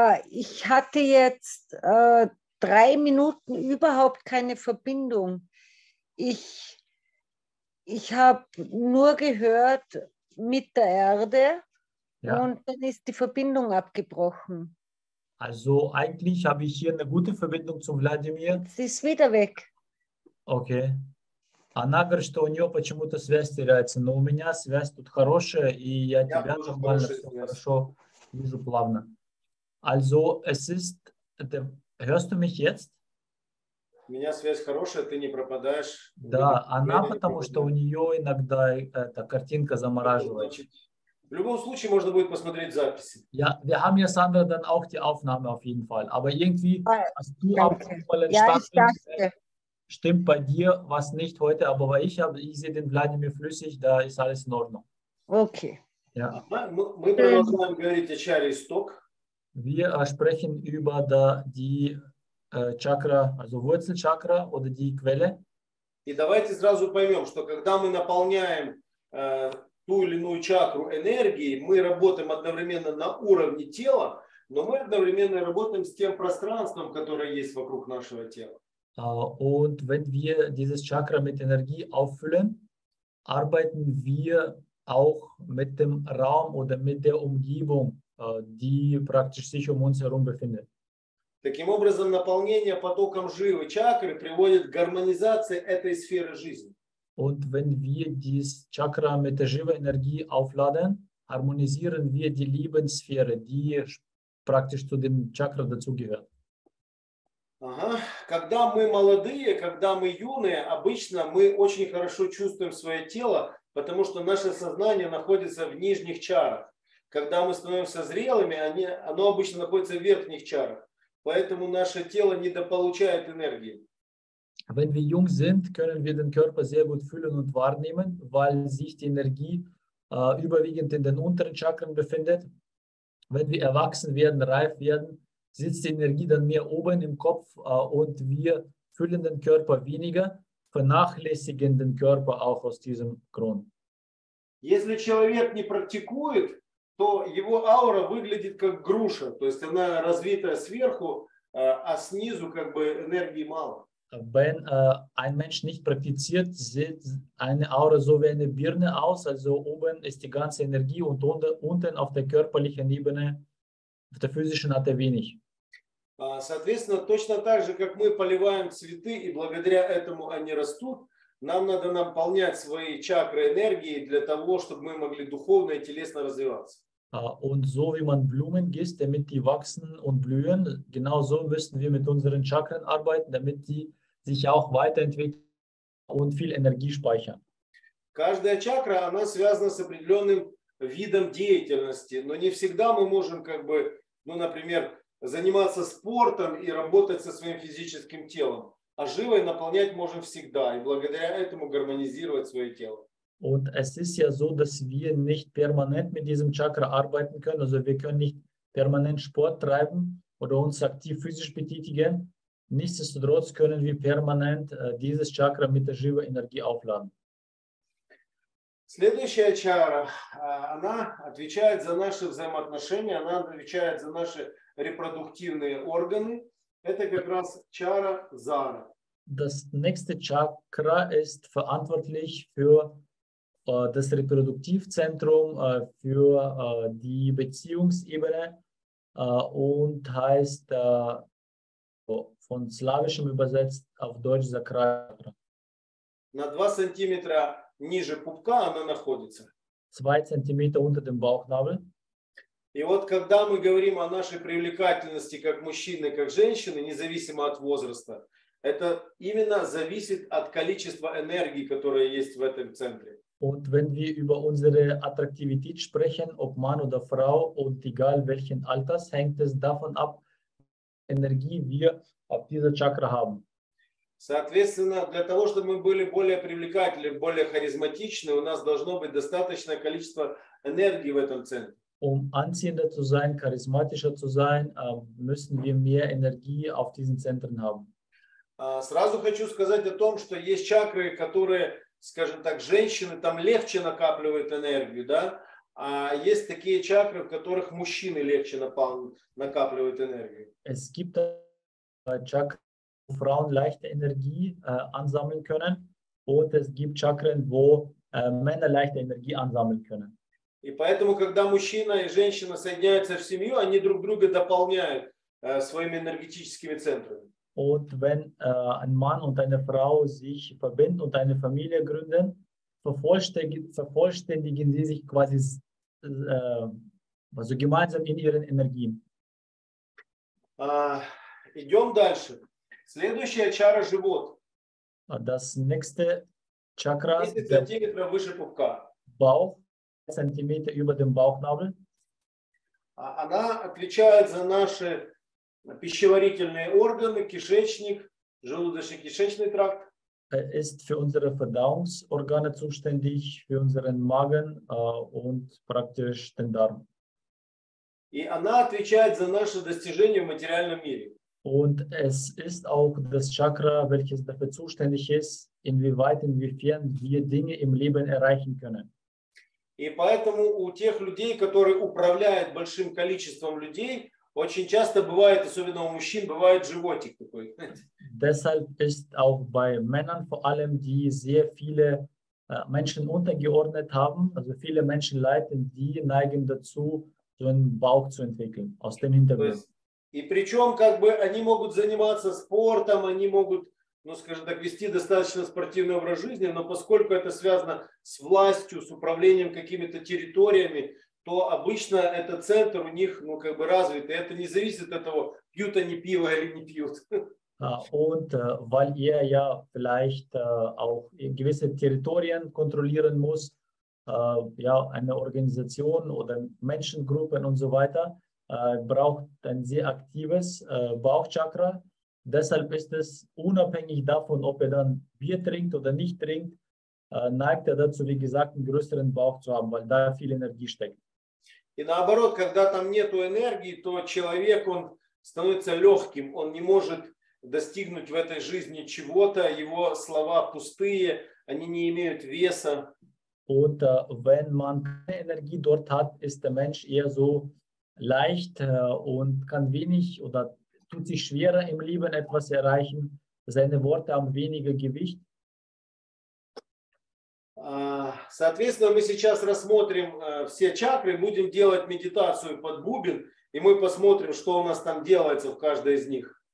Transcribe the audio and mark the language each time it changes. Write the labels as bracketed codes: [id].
[de] Ich hatte jetzt drei Minuten überhaupt keine Verbindung. Ich habe nur gehört mit der Erde. Ja. Und dann ist die Verbindung abgebrochen. Also eigentlich habe ich hier eine gute Verbindung zu Wladimir. Sie ist wieder weg. Okay. [ru] Она говорит, что у нее почему-то связь теряется, но у меня связь тут хорошая, и я тебя нормально хорошо вижу плавно. [de] Also, es ist... Hörst du mich jetzt? [ru] У меня связь хорошая, ты не пропадаешь. Да, она потому что у нее иногда эта картинка замораживает. Значит, в любом случае можно будет посмотреть записи. [de] Ja, wir haben ja Sandra dann auch die Aufnahme auf jeden Fall. Aber irgendwie hast du auch mal entstanden. Stimmt bei dir was nicht heute, aber weil ich sehe den Wladimir flüssig, da ist alles in Ordnung. Okay. Ja. Wir [ru] продолжаем говорить о чакре исток. [de] Wir sprechen über die Chakra, also Wurzelchakra oder die Quelle. [ru] И давайте сразу поймем, что когда мы наполняем ту или иную чакру энергией, мы работаем одновременно на уровне тела, но мы одновременно работаем с тем пространством, которое есть вокруг нашего тела. [de] Und wenn wir dieses Chakra mit Energie auffüllen, arbeiten wir auch mit dem Raum oder mit der Umgebung, die praktisch sich um uns herum befindet. [ru] Таким образом, наполнение потоком живой чакры приводит к гармонизации этой сферы жизни. [de] Und wenn wir dieses Chakra mit der [ru] живой [de] Energie aufladen, harmonisieren wir die Lebenssphäre, die praktisch zu dem Chakra dazugehört. Ага. [ru] Когда мы молодые, когда мы юные, обычно мы очень хорошо чувствуем свое тело, потому что наше сознание находится в нижних чарах. Когда мы становимся зрелыми, оно обычно находится в верхних чарах. Поэтому наше тело недополучает энергии. [de] Wenn wir jung sind, können wir den Körper sehr gut fühlen und wahrnehmen, weil sich die Energie überwiegend in den unteren Chakren befindet. Wenn wir erwachsen werden, reif werden, sitzt die Energie dann mehr oben im Kopf und wir füllen den Körper weniger, vernachlässigen den Körper auch aus diesem Grund. [ru] Если человек не практикует, то его аура выглядит как груша, то есть она развитая сверху, а снизу как бы энергии мало. [de] Wenn ein Mensch nicht praktiziert, sieht eine Aura so wie eine Birne aus, also oben ist die ganze Energie und unten auf der körperlichen Ebene, auf der physischen hat er wenig. [ru] Соответственно, точно так же, как мы поливаем цветы, и благодаря этому они растут, нам надо наполнять свои чакры энергией для того, чтобы мы могли духовно и телесно развиваться. [de] Und so wie man Blumen gießt, damit die wachsen und blühen, genau so müssen wir mit unseren Chakren arbeiten, damit die sich auch weiterentwickeln und viel Energie speichern. [ru] Каждая чакра, она связана с определенным видом деятельности, но не всегда мы можем, как бы, ну, например, заниматься спортом и работать со своим физическим телом. А живой наполнять можем всегда, и благодаря этому гармонизировать свое тело. [de] Und es ist ja so, dass wir nicht permanent mit diesem Chakra arbeiten können. Also wir können nicht permanent Sport treiben oder uns aktiv physisch betätigen. Nichtsdestotrotz können wir permanent dieses Chakra mit der [ru] живой [de] Energie aufladen. [ru] Следующая чакра, она отвечает за наши взаимоотношения, она отвечает за наши репродуктивные органы. Это как раз чакра Зара. [de] Das nächste Chakra ist verantwortlich für das Reproduktivzentrum, für die Beziehungsebene und heißt von Slawischem übersetzt auf Deutsch Sakralchakra. [ru] На 2 сантиметра ниже пупка она находится. 2 сантиметра [de] unter dem Bauchnabel. [ru] И вот когда мы говорим о нашей привлекательности как мужчины, как женщины, независимо от возраста, это именно зависит от количества энергии, которая есть в этом центре. [de] Und wenn wir über unsere Attraktivität sprechen, ob Mann oder Frau und egal welchen Alters, hängt es davon ab, Energie wir auf dieser Chakra haben. [ru] Соответственно, для того, чтобы мы были более привлекательны, более харизматичны, у нас должно быть достаточное количество энергии в этом центре. [de] Um anziehender zu sein, charismatischer zu sein, müssen wir mehr Energie auf diesen Zentren haben. [ru] Сразу хочу сказать о том, что есть чакры, которые, скажем так, женщины там легче накапливают энергию, да? А есть такие чакры, в которых мужчины легче накапливают энергию. [de] Es gibt Chakren, wo Frauen leichter Energie ansammeln können, und es gibt Chakren, wo Männer leichter Energie ansammeln können. [ru] И поэтому, когда мужчина и женщина соединяются в семью, они друг друга дополняют своими энергетическими центрами. [de] Und wenn ein Mann und eine Frau sich verbinden und eine Familie gründen, vervollständigen sie sich quasi also gemeinsam in ihren Energien. [ru] Идем дальше. Следующая чакра – живот. [de] Das nächste Chakra [ru] – 10 сантиметров выше пупка. [de] Bauch. Сантиметр über dem Bauchnabel. [ru] Она отвечает за наши пищеварительные органы, кишечник, желудочно-кишечный тракт. [de] Ist für unsere Verdauungsorgane zuständig, für unseren Magen und praktisch den Darm. [ru] И она отвечает за наши достижения в материальном мире. [de] Und es ist auch das Chakra, welches dafür zuständig ist, inwieweit, inwiefern wir Dinge im Leben erreichen können. [ru] И поэтому у тех людей, которые управляют большим количеством людей, очень часто бывает, особенно у мужчин, бывает животик такой. [de] Deshalb ist auch bei Männern vor allem, die sehr viele Menschen untergeordnet haben, also viele Menschen leiten, die neigen dazu, so einen Bauch zu entwickeln, aus dem Hintergrund. [ru] И причем, как бы, они могут заниматься спортом, они могут, ну, скажем так, вести достаточно спортивный образ жизни, но поскольку это связано с властью, с управлением какими-то территориями, то обычно этот центр у них, ну, как бы развит, и это не зависит от того, пьют они пиво или не пьют. [de] Und weil ja vielleicht auch gewisse Territorien kontrollieren muss, ja, eine Organisation oder Menschengruppen und so weiter, braucht ein sehr aktives Bauchchakra. Deshalb ist es unabhängig davon, ob er dann Bier trinkt oder nicht trinkt, neigt er dazu, wie gesagt, einen größeren Bauch zu haben, weil da viel Energie steckt. [ru] И наоборот, когда там нету энергии, то человек, он становится легким, он не может достигнуть в этой жизни чего-то, его слова пустые, они не имеют веса. [de] Und wenn man keine Energie dort hat, ist der Mensch eher so leicht und kann wenig oder tut sich schwerer im Leben etwas erreichen, seine Worte haben weniger Gewicht. [ru] Соответственно, мы сейчас рассмотрим все чакры, будем делать медитацию под бубен, и мы посмотрим, что у нас там делается в каждой из них.